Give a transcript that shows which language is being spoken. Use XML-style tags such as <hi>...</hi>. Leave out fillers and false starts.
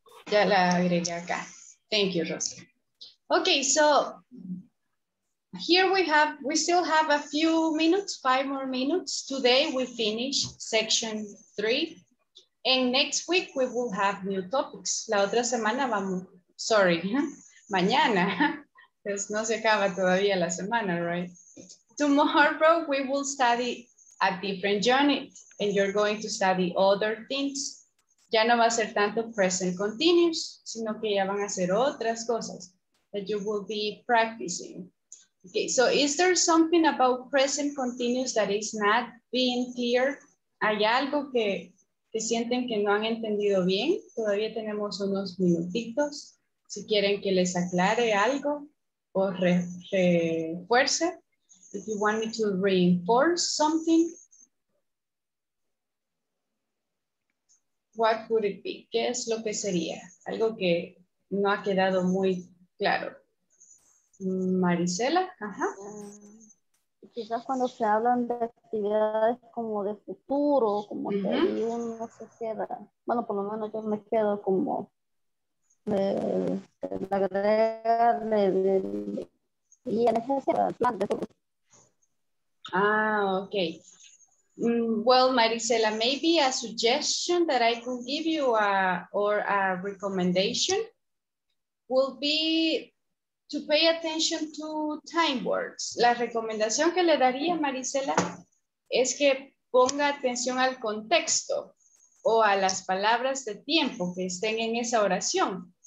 <es>Ya la agregué acá.</es> <en>Thank you, Rosy. Okay, so here we still have a few minutes, 5 more minutes. Today we finish section 3. And next week we will have new topics.</en> <es>La otra semana vamos, sorry, mañana. Pues no se acaba todavía la semana, right?</es> <en>Tomorrow we will study a different unit, and you're going to study other things.</en> <es>Ya no va a ser tanto present continuous, sino que ya van a hacer otras cosas</es> <en>that you will be practicing. Okay, so is there something about present continuous that is not being clear?</en> <es>¿Hay algo que sienten que no han entendido bien? Todavía tenemos unos minutitos. Si quieren que les aclare algo o refuerce.</es> <en>If you want me to reinforce something, what would it be?</en> <es>¿Qué es lo que sería? Algo que no ha quedado muy claro. Marisela, ajá. Quizás cuando se hablan de actividades como de futuro, como que uno se queda, bueno, por lo menos yo me quedo como la agrega de futuro.</es> <en>Ah, okay. Well, Marisela, maybe a suggestion that I could give you or a recommendation will be to pay attention to time words.</en> <es>La recomendación que le daría, Marisela, es que ponga atención al contexto o a las palabras de tiempo que estén en esa oración.</es>